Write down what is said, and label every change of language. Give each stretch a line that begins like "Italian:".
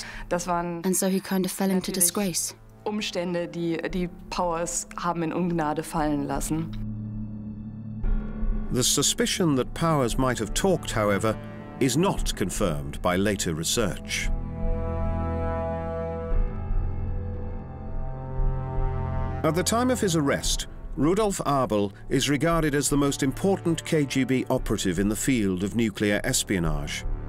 English: And so he kind of fell into disgrace.
German: Umstände, die Powers haben in Ungnade fallen lassen.
English: The suspicion that Powers might have talked, however, is not confirmed by later research. At the time of his arrest, Rudolf Abel is regarded as the most important KGB operative in the field of nuclear espionage.